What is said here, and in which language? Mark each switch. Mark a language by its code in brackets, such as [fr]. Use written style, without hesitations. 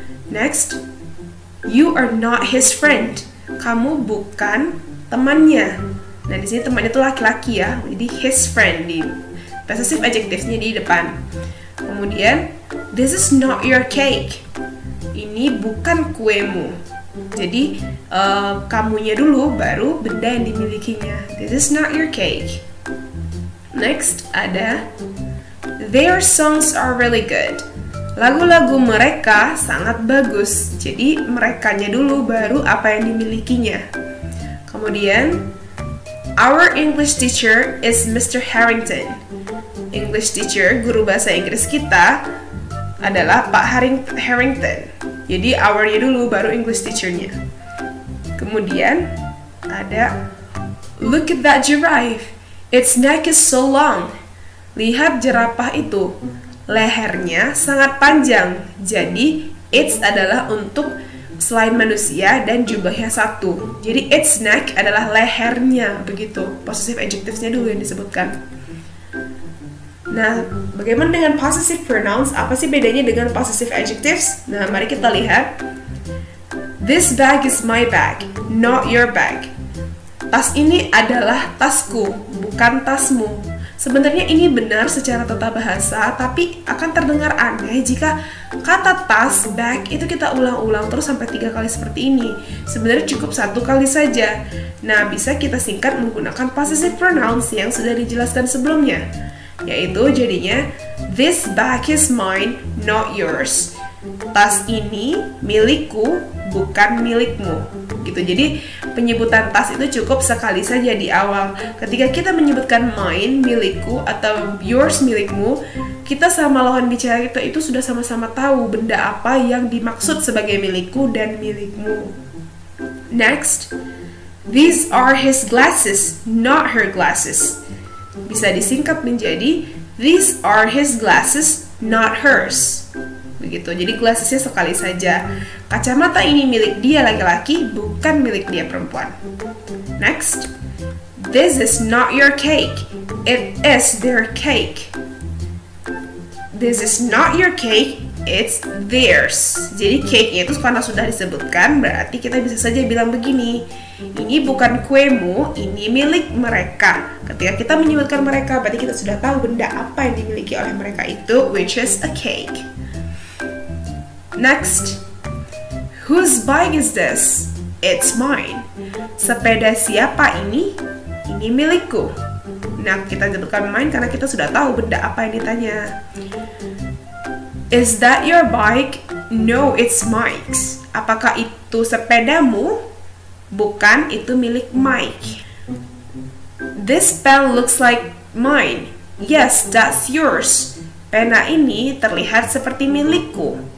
[en] Next, you are not his friend. [id] Kamu bukan temannya. Nah, di sini temannya itu laki-laki ya, jadi [en] his friend. [id] Possessive adjectives-nya di depan. [en] Kemudian, this is not your cake. [id] Ini bukan kuemu. Jadi, kamunya dulu, baru benda yang dimilikinya. [en] This is not your cake. Next, ada their songs are really good. [id] Lagu-lagu mereka sangat bagus. Jadi, merekanya dulu, baru apa yang dimilikinya. [en] Kemudian, our English teacher is Mr. Harrington. [id] English teacher, guru bahasa Inggris kita adalah Pak Harrington. Jadi, our-nya dulu, baru English teacher-nya. Kemudian, ada [en] look at that giraffe. Its neck is so long. [id] Lihat jerapah itu. Lehernya sangat panjang. Jadi, its adalah untuk selain manusia dan jubahnya satu. Jadi, its neck adalah lehernya. Begitu. Possessive adjectives-nya dulu yang disebutkan. Nah, bagaimana dengan possessive pronouns? Apa sih bedanya dengan possessive adjectives? Nah, mari kita lihat. [en] This bag is my bag, not your bag. [id] Tas ini adalah tasku, bukan tasmu. Sebenarnya ini benar secara tata bahasa, tapi akan terdengar aneh jika kata tas, bag, itu kita ulang-ulang terus sampai 3 kali seperti ini. Sebenarnya cukup 1 kali saja. Nah, bisa kita singkat menggunakan possessive pronouns yang sudah dijelaskan sebelumnya. [en] Yaitu jadinya, this bag is mine, not yours. [id] Tas ini milikku, bukan milikmu. Gitu. Jadi penyebutan tas itu cukup sekali saja di awal. Ketika kita menyebutkan mine, milikku, atau yours, milikmu, kita sama lawan bicara kita itu sudah sama-sama tahu benda apa yang dimaksud sebagai milikku dan milikmu. [en] Next, these are his glasses, not her glasses. [id] Bisa disingkat menjadi [en] these are his glasses, not hers. [id] Begitu, jadi glassesnya sekali saja. Kacamata ini milik dia laki-laki, bukan milik dia perempuan. [en] Next, this is not your cake, it is their cake. This is not your cake, It's theirs. [id] Jadi cake-nya itu karena sudah disebutkan, berarti kita bisa saja bilang begini, ini bukan kuemu, ini milik mereka. Ketika kita menyebutkan mereka, berarti kita sudah tahu benda apa yang dimiliki oleh mereka itu, [en] which is a cake. Next, whose bike is this? It's mine. [id] Sepeda siapa ini? Ini milikku. Nah, kita sebutkan mine karena kita sudah tahu benda apa yang ditanya. [en] Is that your bike? No, it's Mike's. [id] Apakah itu sepedamu? Bukan, itu milik Mike. [en] This pen looks like mine. Yes, that's yours. [id] Pena ini terlihat seperti milikku.